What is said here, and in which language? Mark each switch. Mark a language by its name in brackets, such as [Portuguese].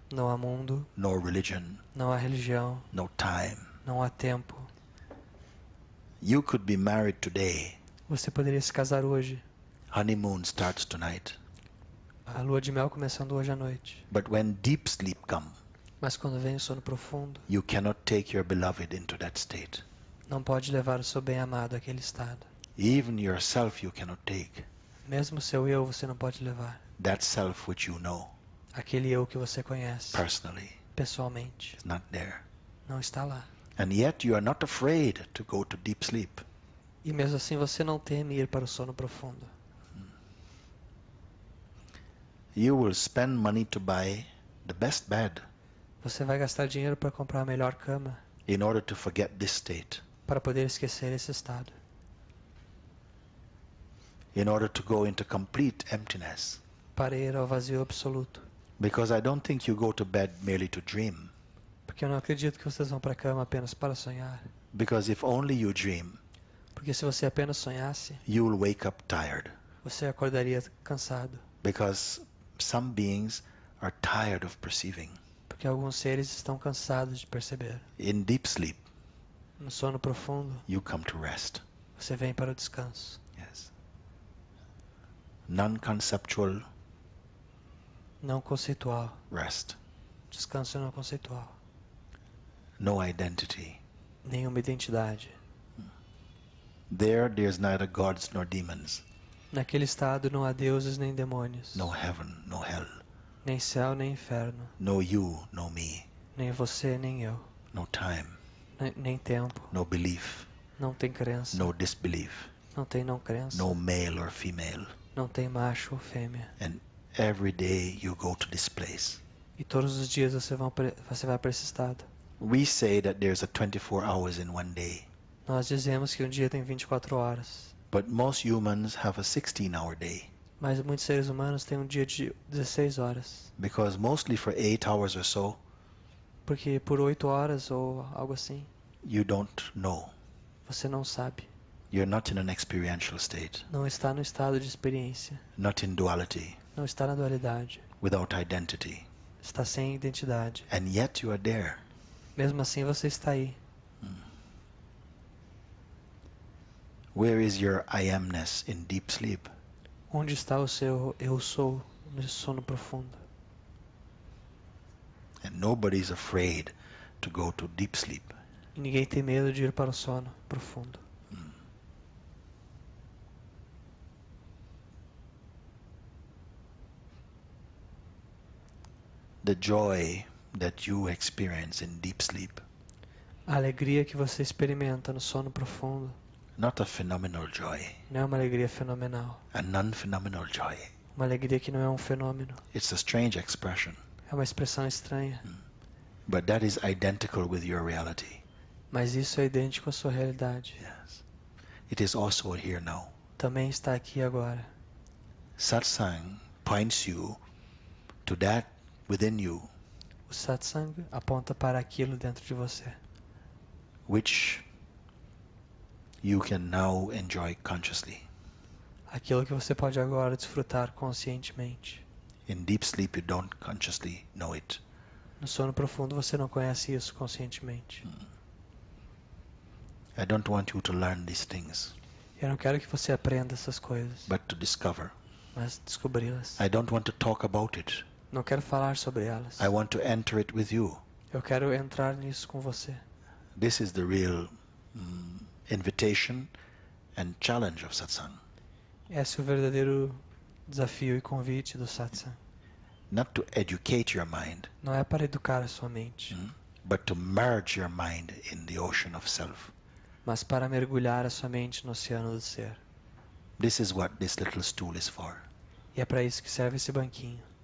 [Portuguese] Não há mundo. [English] No religion. [Portuguese] Não há religião. [English] No time. [Portuguese] Não há tempo. [English] You could be married today. [Portuguese] Você poderia se casar hoje. [English] Honeymoon starts tonight. [Portuguese] A lua de mel começando hoje à noite. [English] But when deep sleep comes, [Portuguese] mas quando vem o sono profundo, [English] you cannot take your beloved into that state. [Portuguese] Não pode levar o seu bem-amado àquele estado. [English] Even yourself you cannot take. [Portuguese] Mesmo seu eu você não pode levar. [English] That self which you know. [Portuguese] Aquele eu que você conhece. [English] Personally. [Portuguese] Pessoalmente. [English] Is not there. [Portuguese] Não está lá. [English] And yet you are not afraid to go to deep sleep. [Portuguese] E mesmo assim você não teme ir para o sono profundo. [English] You will spend money to buy the best bed. [Portuguese] Você vai gastar dinheiro para comprar a melhor cama. [English] In order to forget this state. [Portuguese] Para poder esquecer esse estado. [English] In order to go into complete emptiness. [Portuguese] Para ir ao vazio absoluto. [English] Because I don't think you go to bed merely to dream. [Portuguese] Porque eu não acredito que vocês vão para a cama apenas para sonhar. [English] Because if only you dream. [Portuguese] Porque se você apenas sonhasse. [English] You will wake up tired. [Portuguese] Você acordaria cansado. [English] Because some beings are tired of perceiving. [Portuguese] Que alguns seres estão cansados de perceber. [English] In deep sleep, [Portuguese] no sono profundo, [English] you come to rest. [Portuguese] Você vem para o descanso. [English] Yes. Non-conceptual, [Portuguese] não conceitual. [English] Rest. [Portuguese] Descanso não conceitual. [English] No identity. [Portuguese] Nenhuma identidade. [English] There is neither gods nor demons. [Portuguese] Naquele estado não há deuses nem demônios. [English] No heaven, no hell. [Portuguese] Nem céu, nem inferno. [English] No you, no me. [Portuguese] Nem você, nem eu. [English] No time. [Portuguese] Nem tempo. [English] No belief. [Portuguese] Não tem crença. [English] No disbelief. [Portuguese] Não tem não crença. [English] No male or female. [Portuguese] Não tem macho ou fêmea. [English] And every day you go to this place. [Portuguese] E todos os dias você vai para esse estado. [English] We say that there's a 24 hours in one day. [Portuguese] Nós dizemos que um dia tem 24 horas. [English] But most humans have a 16 hour day. [Portuguese] Mas muitos seres humanos têm um dia de 16 horas. [English] Because mostly for 8 hours or so. [Portuguese] Porque por 8 horas ou algo assim. [English] You don't know. [Portuguese] Você não sabe. [English] You're not in an experiential state. [Portuguese] Não está no estado de experiência. [English] Not in duality. [Portuguese] Não está na dualidade. [English] Without identity. [Portuguese] Está sem identidade. [English] And yet you are there. [Portuguese] Mesmo assim você está aí. [English] Where is your I am-ness in deep sleep? [Portuguese] Onde está o seu eu sou nesse sono profundo? [English] And nobody is afraid to go to deep sleep. [Portuguese] E ninguém tem medo de ir para o sono profundo. [English] The joy that you experience in deep sleep. [Portuguese] A alegria que você experimenta no sono profundo. [English] Not a phenomenal joy. [Portuguese] Não é uma alegria fenomenal. [English] A non-phenomenal joy. [Portuguese] Uma alegria que não é um fenômeno. [English] It's a strange expression. [Portuguese] É uma expressão estranha. [English] But that is identical with your reality. [Portuguese] Mas isso é idêntico à sua realidade. [English] Yes. It is also here now. [Portuguese] Também está aqui agora. [English] Satsang points you to that within you. [Portuguese] O satsang aponta para aquilo dentro de você. [English] Which you can now enjoy consciously. [Portuguese] Aquilo que você pode agora desfrutar conscientemente. [English] In deep sleep you don't consciously know it. [Portuguese] No sono profundo você não conhece isso conscientemente. [English] I don't want you to learn these things. [Portuguese] Eu não quero que você aprenda essas coisas. [English] But to discover. [Portuguese] Mas descobri-las. [English] I don't want to talk about it. [Portuguese] Não quero falar sobre elas. [English] I want to enter it with you. [Portuguese] Eu quero entrar nisso com você. [English] This is the real invitation and challenge of satsang. [Portuguese] Esse é o verdadeiro desafio e convite do satsang. [English] Not to educate your mind. [Portuguese] Não é para educar a sua mente. [English] but to merge your mind in the ocean of self. [Portuguese] Mas para mergulhar a sua mente no oceano do ser. [English] This is what this little stool is for. [Portuguese] E é para isso que serve esse banquinho.